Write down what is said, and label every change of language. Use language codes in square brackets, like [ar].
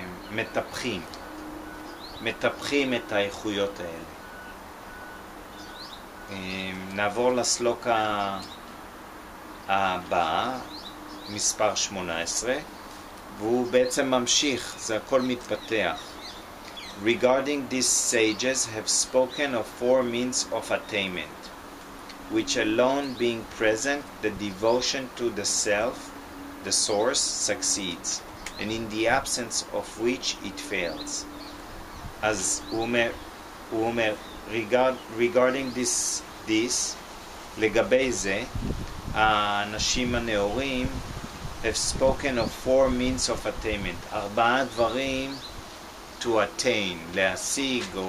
[he] מטפחים. מטפחים את האיכויות האלה. נעבור לסלוק הבא, מספר 18, והוא בעצם ממשיך, זה הכל מתפתח. [en] Regarding these sages have spoken of four means of attainment, which alone being present, the devotion to the self, the source, succeeds, and in the absence of which it fails. [he] אז הוא אומר, [en] regarding this, [he] לגבי זה, האנשים הנאורים [en] have spoken of four means of attainment, [he] ארבעה דברים [en] to attain, [he] להשיג,